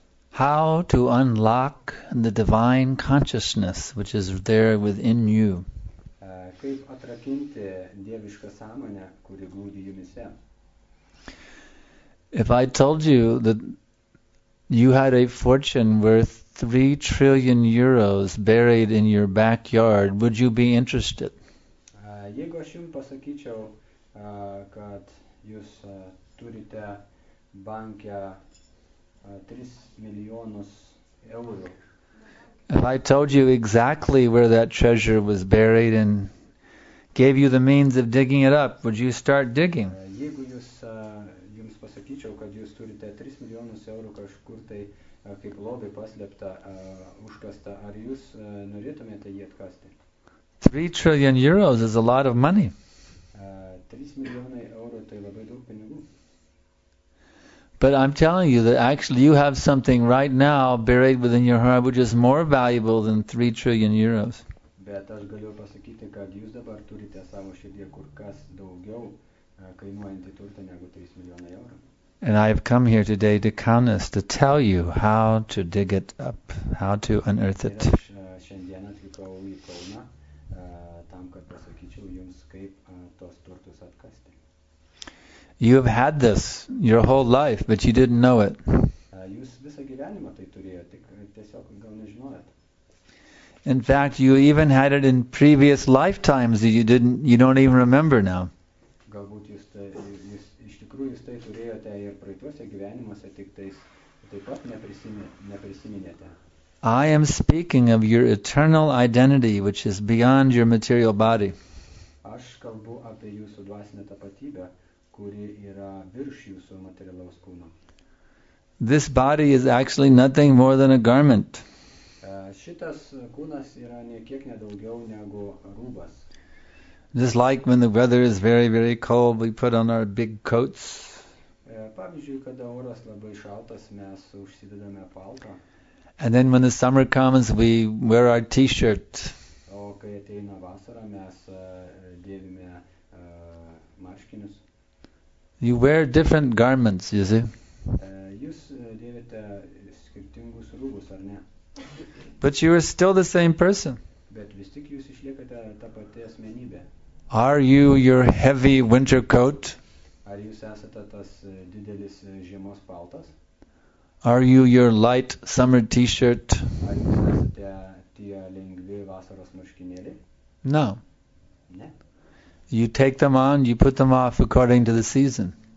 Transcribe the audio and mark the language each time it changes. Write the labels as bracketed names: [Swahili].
[English] How to unlock the divine consciousness which is there within you. [Lithuanian] Kaip atrakinti dievišką sąmonę, kuri glūdi jumise. [English] If I told you that you had a fortune worth 3 trillion euros buried in your backyard, would you be interested? [Lithuanian] Jeigu aš jums pasakyčiau, kad jūs turite banke 3 milijonus eurų. [English] If I told you exactly where that treasure was buried and gave you the means of digging it up, would you start digging? [Lithuanian] Jeigu jūs jums pasakyčiau, kad jūs turite 3 milijonus eurų kažkur tai kaip lobį paslėpta, užkasta, ar jūs norėtumėte jį atkasti? [English] 3 trillion euros is a lot of money. [Lithuanian] 3 milijonai eurų tai labai daug pinigų. [English] But I'm telling you that actually you have something right now buried within your heart which is more valuable than 3 trillion euros. [Lithuanian] Bet aš galiu pasakyti, kad jūs dabar turite savo širdyje kur kas daugiau kainuojantį turtą negu 3 milijonai eurų. [English] And I have come here today to Kaunas to tell you how to dig it up, how to unearth it. [Lithuanian] Ir aš šiandien atvykau į Kauną tam, kad pasakyčiau jums, kaip tos turtus atkasti. [English] You have had this your whole life, but you didn't know it. [Lithuanian] Jūs visą gyvenimą tai turėjo, tik tiesiog gal nežinojot. [English] In fact, you even had it in previous lifetimes that you don't even remember now. [Lithuanian] Galbūt jūs iš tikrųjų jūs tai turėjote ir praeituose gyvenimuose, tik tais taip pat neprisiminėte. [English] I am speaking of your eternal identity, which is beyond your material body. [Lithuanian] Aš kalbu apie jūsų dvasinę tapatybę, kuri yra virš jūsų materialaus kūno. [English] This body is actually nothing more than a garment. [Lithuanian] Šitas kūnas yra niekiek nedaugiau negu rūbas. [English] Just like when the weather is very, very cold, we put on our big coats. [Lithuanian] Pavyzdžiui, kada oras labai šaltas, mes užsidedame paltą. [English] And then when the summer comes, we wear our t-shirt. [Lithuanian] O kai ateina vasara, mes dėvime marškinius. [English] You wear different garments, you see. [Lithuanian] Jūs dėvite skirtingus rūbus, ar ne? [English] But you are still the same person. [Lithuanian] Bet vis tik jūs išliekate tą patį asmenybę. [English] Are you your heavy winter coat? [Lithuanian] Ar jūs esate tas didelis žiemos paltas? [English] Are you your light summer t-shirt? [Lithuanian] Ar jūs esate tie lengvi vasaros marškinėliai? [English] No. [Lithuanian] Ne. [English] You take them on, you put them off according to the season.